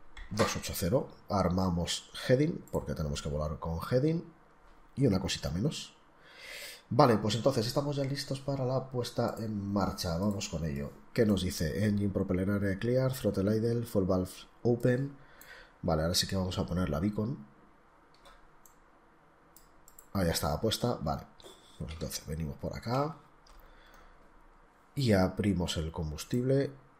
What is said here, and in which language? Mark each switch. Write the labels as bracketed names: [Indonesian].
[Spanish] 280, armamos heading, porque tenemos que volar con heading, y una cosita menos. Vale, pues entonces estamos ya listos para la puesta en marcha, vamos con ello. ¿Qué nos dice? [English] Engine propeller area clear, throttle idle, full valve open. [Spanish] Vale, ahora sí que vamos a poner la beacon. Ahí ya estaba puesta. Vale. Pues entonces venimos por acá. Y abrimos el combustible.